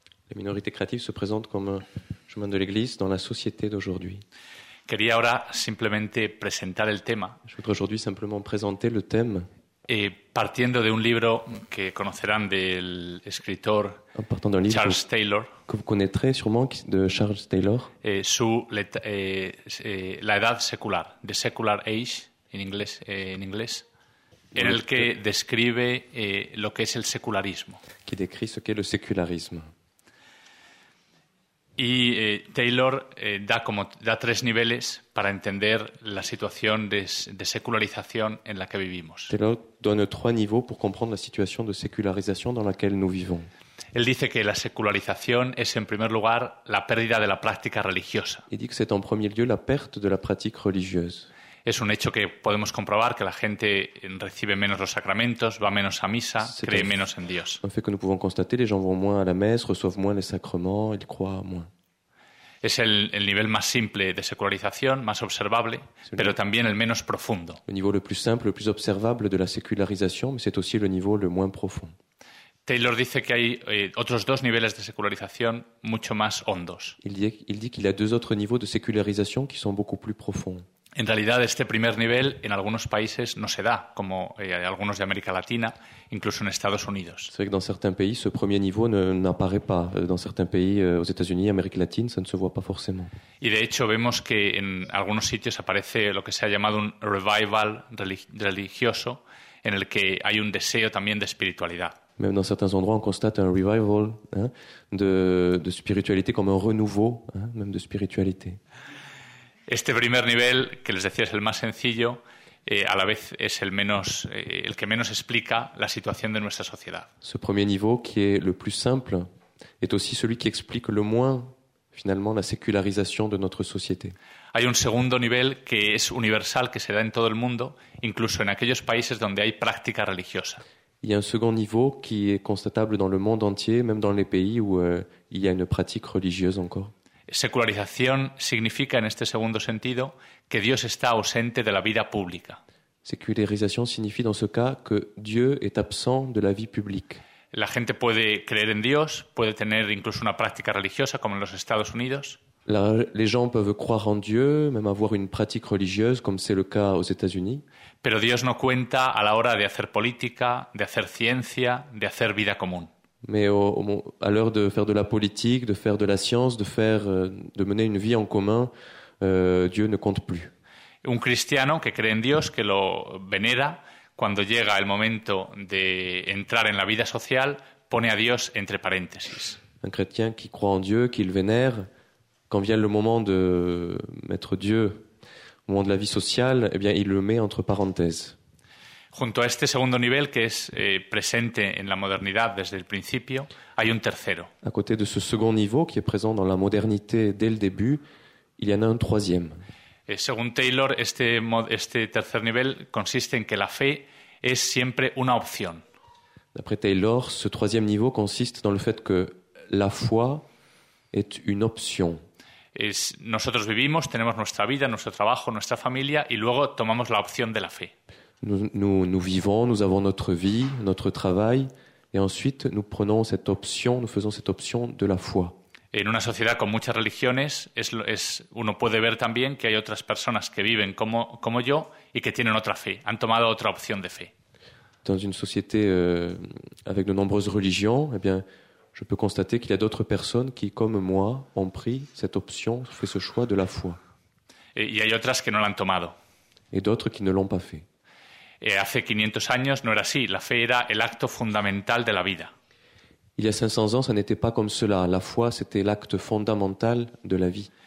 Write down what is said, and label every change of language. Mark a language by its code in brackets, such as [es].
[fr] Les minorités créatives se présentent comme un chemin de l'Église dans la société d'aujourd'hui. [es] Quería ahora simplemente presentar el tema. [fr] Je voudrais aujourd'hui simplement présenter le thème. [es] Et partiendo de un libro que conocerán del escritor Charles Taylor. [fr] Que vous connaîtrez sûrement de Charles Taylor. Et sous la [es] edad secular, The Secular Age, en inglés, en el que describe lo que es el secularismo. [fr] Qui décrit ce qu'est le sécularisme. [es] Y Taylor da tres niveles para entender la situación de secularización en la que vivimos. [fr] Taylor donne trois niveaux pour comprendre la situation de sécularisation dans laquelle nous vivons. [es] Él dice que la secularización es en primer lugar la pérdida de la práctica religiosa. [fr] Il dit que c'est en premier lieu la perte de la pratique religieuse. [es] Es un hecho que podemos comprobar que la gente recibe menos los sacramentos, va menos a misa, cree menos en Dios. [fr] Un fait que nous pouvons constater, les gens vont moins à la messe, reçoivent moins les sacrements, ils croient moins. [es] Es el nivel más simple de secularización, más observable, pero también el menos profundo. [fr] Le niveau le plus simple, le plus observable de la sécularisation, mais c'est aussi le niveau le moins profond. [es] Taylor dice que hay otros dos niveles de secularización mucho más hondos. [fr] Il dit qu'il y a deux autres niveaux de sécularisation qui sont beaucoup plus profonds. [es] En realidad, este primer nivel en algunos países no se da, como algunos de América Latina, incluso en Estados Unidos. [fr] C'est vrai que dans certains pays, ce premier niveau n'apparaît pas. Dans certains pays, aux États-Unis, Amérique latine, ça ne se voit pas forcément. [es] Y de hecho, vemos que en algunos sitios aparece lo que se ha llamado un revival religioso, en el que hay un deseo también de espiritualidad. [fr] Même dans certains endroits, on constate un revival de spiritualité, comme un renouveau même de spiritualité. [es] Este primer nivel, que les decía, es el más sencillo, a la vez es el menos, el que menos explica la situación de nuestra sociedad. [fr] Ce premier niveau, qui est le plus simple, est aussi celui qui explique le moins, finalement, la sécularisation de notre société. [es] Hay un segundo nivel que es universal, que se da en todo el mundo, incluso en aquellos países donde hay práctica religiosa. [fr] Il y a un second niveau qui est constatable dans le monde entier, même dans les pays où il y a une pratique religieuse encore. [es] Secularización significa, en este segundo sentido, que Dios está ausente de la vida pública. Secularización significa, en este caso, que Dios está ausente de la vida pública. La gente puede creer en Dios, puede tener incluso una práctica religiosa, como en los Estados Unidos. [fr] Les gens peuvent croire en Dieu, même avoir une pratique religieuse, comme c'est le cas aux États-Unis. [es] Pero Dios no cuenta a la hora de hacer política, de hacer ciencia, de hacer vida común. [fr] Mais à l'heure de faire de la politique, de faire de la science, de mener une vie en commun, Dieu ne compte plus. [es] Un cristiano que cree en Dios, que lo venera, cuando llega el momento de entrar en la vida social, pone a Dios entre paréntesis. [fr] Un chrétien qui croit en Dieu, qui le vénère, quand vient le moment de mettre Dieu au moment de la vie sociale, eh bien, il le met entre parenthèses. [es] Junto a este segundo nivel que es presente en la modernidad desde el principio, hay un tercero. [fr] À côté de ce second niveau qui est présent dans la modernité dès le début, il y en a un troisième. [es] Según Taylor, este tercer nivel consiste en que la fe es siempre una opción. [fr] D'après Taylor, ce troisième niveau consiste dans le fait que la foi est une option. [es] Nosotros vivimos, tenemos nuestra vida, nuestro trabajo, nuestra familia y luego tomamos la opción de la fe. [fr] Nous vivons, nous avons notre vie, notre travail et ensuite nous faisons cette option de la foi. [es] En una sociedad con muchas religiones, uno puede ver también que hay otras personas que viven como yo y que tienen otra fe, han tomado otra opción de fe. [fr] Dans une société avec de nombreuses religions, eh bien, je peux constater qu'il y a d'autres personnes qui, comme moi, ont pris cette option, fait ce choix de la foi. Et il y a d'autres qui ne l'ont pas fait. Et d'autres qui ne l'ont pas fait. [es] Et hace 500 años no era así. La fe era el acto fundamental de la vida. [fr] Il y a 500 ans, ça n'était pas comme cela. La foi, c'était l'acte fondamental de la vie.